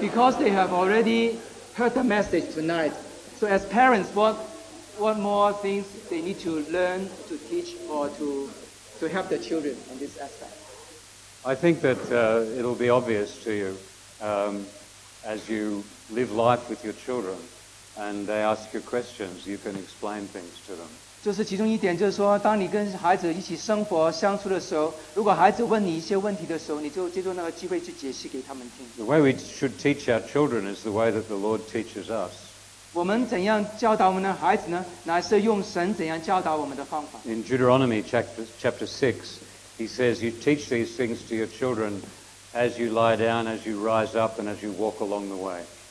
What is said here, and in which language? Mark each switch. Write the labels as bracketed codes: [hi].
[en] Because they have already heard the message tonight, so as parents, what more things they need to learn to teach or to help the children on this aspect? I think that it'll be obvious to you as you live life with your children and they ask you questions, you can explain things to them. [zh] 就是其中一点，就是说，当你跟孩子一起生活、相处的时候，如果孩子问你一些问题的时候，你就借助那个机会去解释给他们听。 [en] The way we should teach our children is the way that the Lord teaches us. [zh] 我们怎样教导我们的孩子呢？乃是用神怎样教导我们的方法。 [en] In Deuteronomy chapter 6, he says, "You teach these things to your children as you lie down, as you rise up, and as you walk along the way."